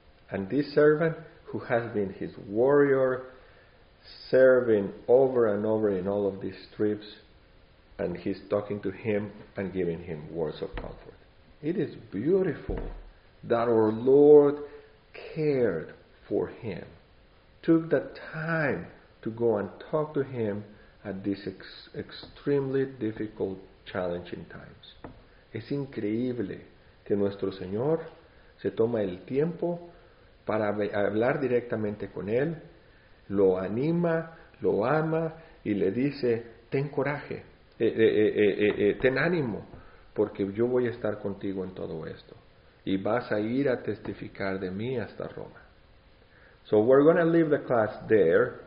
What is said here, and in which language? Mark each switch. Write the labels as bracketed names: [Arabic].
[English] And this servant, who has been his warrior, serving over and over in all of these trips, and he's talking to him and giving him words of comfort. It is beautiful that our Lord cared for him, took the time to go and talk to him at this extremely difficult, challenging times. [Spanish] Es increíble que nuestro Señor se toma el tiempo para hablar directamente con él, lo anima, lo ama y le dice, ten coraje, ten ánimo, porque yo voy a estar contigo en todo esto. Y vas a ir a testificar de mí hasta Roma. [English] So we're going to leave the class there.